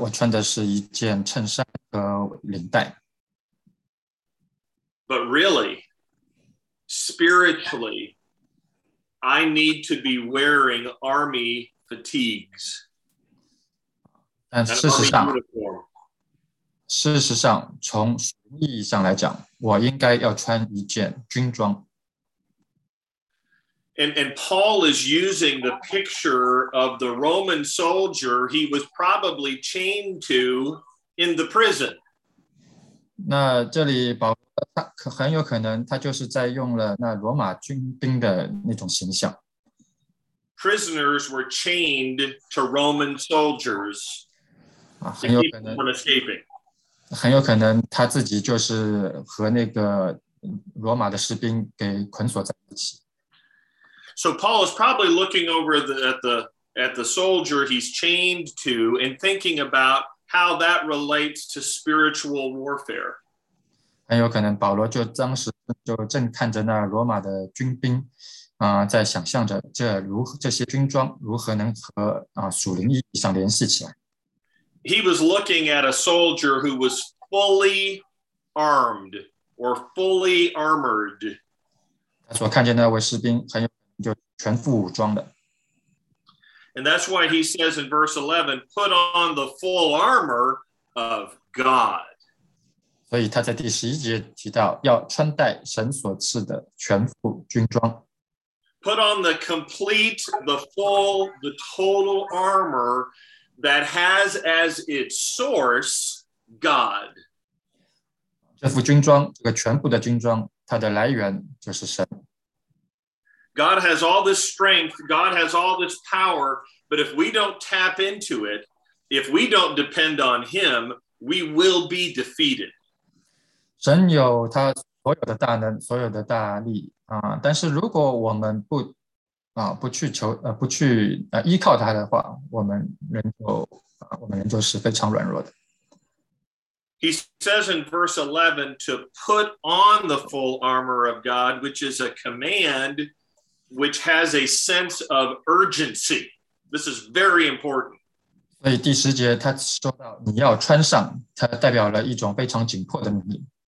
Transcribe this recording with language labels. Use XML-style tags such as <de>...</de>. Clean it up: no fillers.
<zh>我穿的是一件衬衫和领带。</zh> <en>But really, spiritually, I need to be wearing army fatigues.</en> <zh>但事实上，从属灵意义上来讲，我应该要穿一件军装。</zh> <en>And Paul is using the picture of the Roman soldier he was probably chained to in the prison.</en> <zh>那这里保罗他很有可能他就是在用了那罗马军兵的那种形象。</zh> <en>Prisoners were chained to Roman soldiers.</en> <zh>很有可能。</zh> <en>To keep them from escaping.</en> <zh>很有可能他自己就是和那个罗马的士兵给捆锁在一起。</zh> <en>So Paul is probably looking over at the soldier he's chained to and thinking about how that relates to spiritual warfare.</en> <zh>很有可能保罗就当时就正看着那罗马的军兵，在想象着这些军装如何能和属灵意义上联系起来。</zh> <en>He was looking at a soldier who was fully armed or fully armored.</en> <zh>他所看见的那位士兵很有。就全副武装的。</zh> <en>And that's why he says in verse 11, put on the full armor of God.</en> <zh>所以他在第十一节提到要穿戴神所赐的全副军装。</zh> <en>Put on the complete, the full, the total armor that has as its source God.</en> <zh>这副军装，这个全部的军装，它的来源就是神。</zh> <en>God has all this strength, God has all this power, but if we don't tap into it, if we don't depend on him, we will be defeated.</en> <zh>神有他所有的大能，所有的大力，但是如果我们不去依靠他的话，我们人就是非常软弱的。</zh> <en>He says in verse 11, to put on the full armor of God, which is a command, which has a sense of urgency. This is very important.</en> <zh>所以第十节他说到你要穿上，它代表了一种非常紧迫的命令。</zh>